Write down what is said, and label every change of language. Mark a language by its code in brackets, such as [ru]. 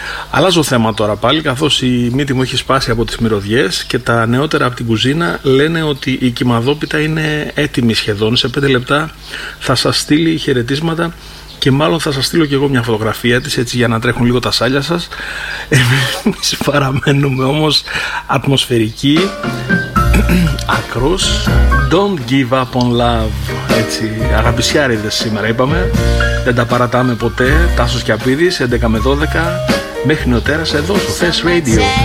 [el] Αλλάζω θέμα τώρα πάλι, καθώς η μύτη μου έχει σπάσει από τις μυρωδιές και τα νεότερα από την κουζίνα λένε ότι η κυμαδόπιτα είναι έτοιμη σχεδόν. Σε 5 λεπτά θα σας στείλει χαιρετίσματα και μάλλον θα σας στείλω και εγώ μια φωτογραφία της, έτσι για να τρέχουν λίγο τα σάλια σας. Εμείς παραμένουμε όμως ατμοσφαιρικοί. [en] Ακρός, don't give up on love. [el] Έτσι, αγαπησιάριδες σήμερα είπαμε. Δεν τα παρατάμε ποτέ. Τάσος και Απίδης, 11 με 12. Μέχρι νεοτέρας εδώ στο Thes Radio.